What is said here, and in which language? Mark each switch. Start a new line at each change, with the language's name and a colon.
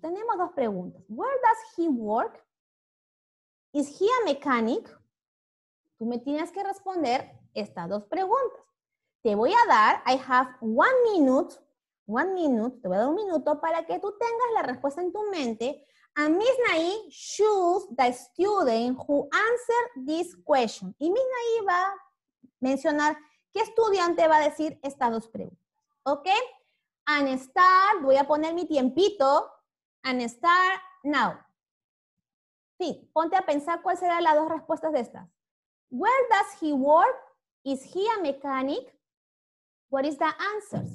Spanish: Tenemos dos preguntas.
English: Where does he work? Is he a mechanic?
Spanish: Tú me tienes que responder estas dos preguntas. Te voy a dar,
English: I have 1 minute. 1 minute,
Spanish: te voy a dar 1 minuto para que tú tengas la respuesta en tu mente.
English: And Miss Nai choose the student who answered this question.
Spanish: Y Miss Nai va a mencionar qué estudiante va a decir estas dos preguntas. ¿Ok?
English: And start,
Spanish: voy a poner mi tiempito.
English: And start now.
Spanish: Sí, ponte a pensar cuáles serán las dos respuestas de estas.
English: Where does he work? Is he a mechanic? What is the answer?